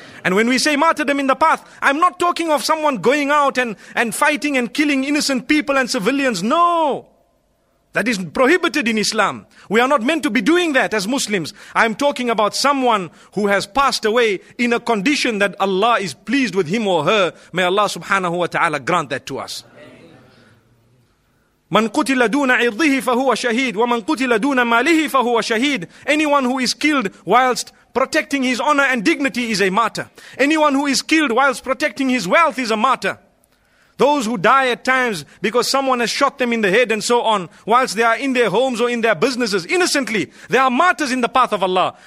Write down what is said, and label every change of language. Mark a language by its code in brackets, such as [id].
[en] And when we say martyrdom in the path, I'm not talking of someone going out and fighting and killing innocent people and civilians. No, that is prohibited in Islam. We are not meant to be doing that as Muslims. I'm talking about someone who has passed away in a condition that Allah is pleased with him or her. May Allah subhanahu wa ta'ala grant that to us. [ar] من قتل دون عرضه فهو شهيد ومن قتل دون ماله فهو شهيد. [en] Anyone who is killed whilst protecting his honor and dignity is a martyr. Anyone who is killed whilst protecting his wealth is a martyr. Those who die at times because someone has shot them in the head and so on, whilst they are in their homes or in their businesses, innocently, they are martyrs in the path of Allah.